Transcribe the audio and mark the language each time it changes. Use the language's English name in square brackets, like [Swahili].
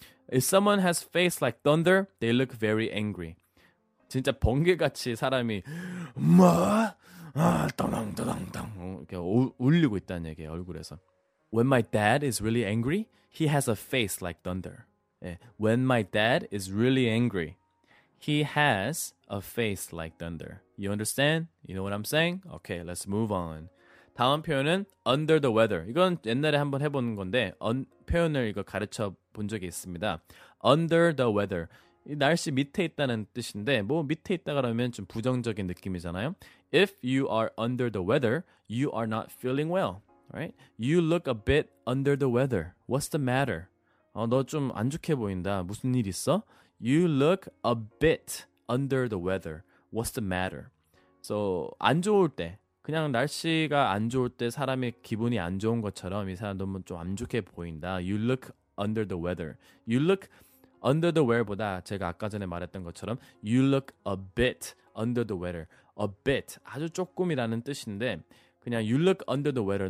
[English] If someone has face like thunder, they look very angry. [Korean] 진짜 번개같이 사람이 떠당떠당떠당 이렇게 울리고 있다는 얘기예요, 얼굴에서. [English] When my dad is really angry, he has a face like thunder. 예, when my dad is really angry, he has a face like thunder. You understand? You know what I'm saying? Okay, let's move on. [Korean] 다음 표현은 [English] under the weather. [Korean] 이건 옛날에 한번 해보는 건데 표현을 이거 가르쳐 본 적이 있습니다. [English] Under the weather. [Korean] 날씨 밑에 있다는 뜻인데 뭐 밑에 있다 그러면 좀 부정적인 느낌이잖아요. [English] If you are under the weather, you are not feeling well. Right? You look a bit under the weather. What's the matter? [Korean] 너 좀 안 좋게 보인다. 무슨 일 있어? [English] You look a bit under the weather. What's the matter? So [Korean] 안 좋을 때 그냥 날씨가 안 좋을 때 사람이 기분이 안 좋은 것처럼 이 사람 너무 좀 안 좋게 보인다. [English] You look under the weather. You look under the weather보다 제가 아까 전에 말했던 것처럼 You look a bit under the weather. A bit. [Korean] 아주 조금이라는 뜻인데 그냥 [English] You look under the weather.